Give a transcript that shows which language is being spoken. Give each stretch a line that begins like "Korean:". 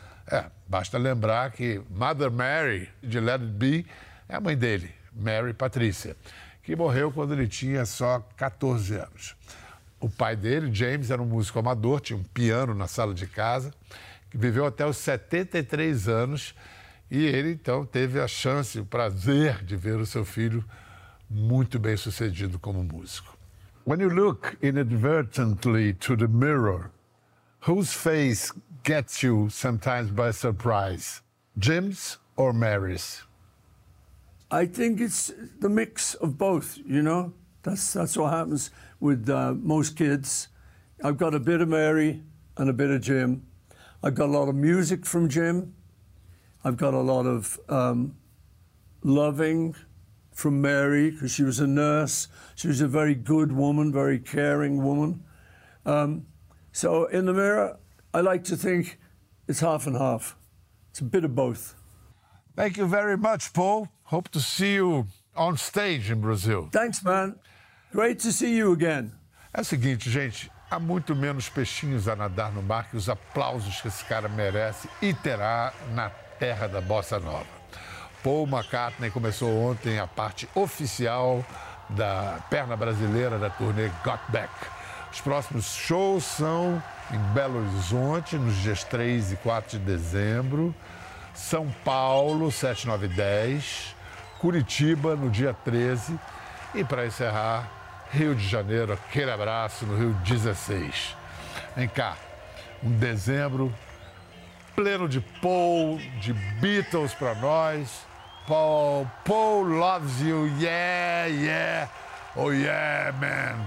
Portuguese: É, basta lembrar que Mother Mary, de Let It Be, é a mãe dele, Mary Patricia, que morreu quando ele tinha só 14 anos. O pai dele, James, era um músico amador, tinha um piano na sala de casa, que viveu até os 73 anos, e ele, então, teve a chance, o prazer de ver o seu filho muito bem sucedido como músico.
English: When you look inadvertently to the mirror, whose face gets you sometimes by surprise? Jim's or Mary's? I think it's the mix of both, you know? That's what happens with most kids. I've got a bit of Mary and a bit of Jim. I've got a lot of music from Jim. I've got a lot of loving from Mary, because she was a nurse. She was a very good woman, very caring woman. So in the mirror, I like to think It's half and half. It's a bit of both. Thank you very much, Paul. Hope to see you on stage in Brazil. Thanks, man. Great to see you again.
Portuguese: É o seguinte, gente. Há muito menos peixinhos a nadar no mar que os aplausos que esse cara merece e terá na terra da Bossa Nova. Paul McCartney começou ontem a parte oficial da perna brasileira da turnê Got Back. Os próximos shows são em Belo Horizonte, nos dias 3 e 4 de dezembro, São Paulo, 7, 9 e 10, Curitiba, no dia 13, e para encerrar, Rio de Janeiro, aquele abraço, no Rio 16. Vem cá, um dezembro pleno de Paul, de Beatles para nós.
English: Paul loves you, yeah, yeah, oh yeah, man.